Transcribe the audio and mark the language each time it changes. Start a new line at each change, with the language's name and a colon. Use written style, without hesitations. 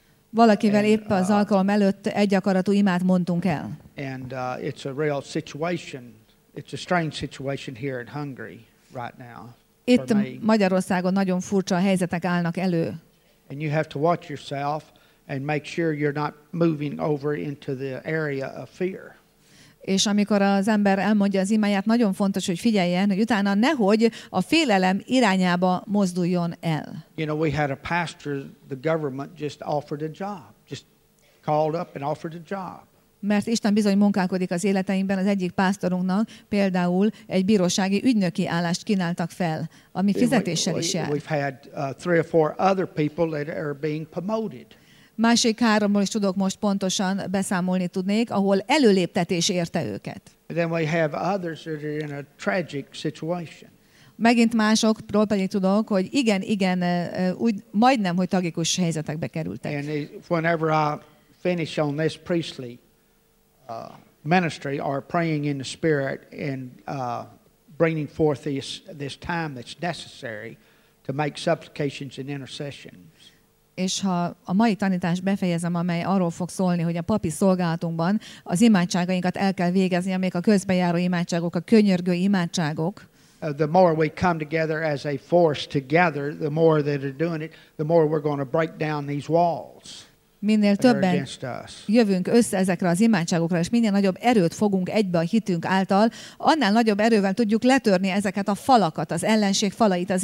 Hungarian: Valakivel épp az alkalom előtt egy akaratú imát mondtunk el.
English: And it's a real situation. It's a strange situation here in Hungary right now.
Hungarian: Itt Magyarországon nagyon furcsa helyzetek állnak elő.
English: And you have to watch yourself and make sure you're not moving over into the area of fear.
Hungarian: És amikor az ember elmondja az imáját, nagyon fontos, hogy figyeljen, hogy utána nehogy a félelem irányába mozduljon el.
English: You know, we had a pastor, the government just offered a job, just called up and offered a job.
Hungarian: Mert Isten bizony munkálkodik az életeinkben, az egyik pásztorunknak például egy bírósági ügynöki állást kínáltak fel, ami fizetéssel is jár.
English: We've had three or four other people that are being promoted.
Hungarian: Másik háromról is tudok most pontosan beszámolni tudnék, ahol előléptetés érte őket.
English: Then we have others that are in a tragic situation.
Hungarian: Megint másokról pedig tudok, hogy igen, úgy majdnem, hogy tragikus helyzetekbe kerültek.
English: And whenever I finish on this priestly ministry or praying in the spirit and bringing forth this time that's necessary to make supplications and intercessions.
Hungarian: És ha a mai tanítás befejezem, amely arról fog szólni, hogy a papi szolgálatunkban az imádságainkat el kell végezni, amelyek a közbejáró imádságok, a könyörgő imádságok.
English: The more we come together as a force together, the more that are doing it, the more we're going to break down these walls.
Hungarian: minél többen jövünk össze ezekre az imádságokra, és minél nagyobb erőt fogunk egybe a hitünk által, annál nagyobb erővel tudjuk letörni ezeket a falakat, az ellenség falait az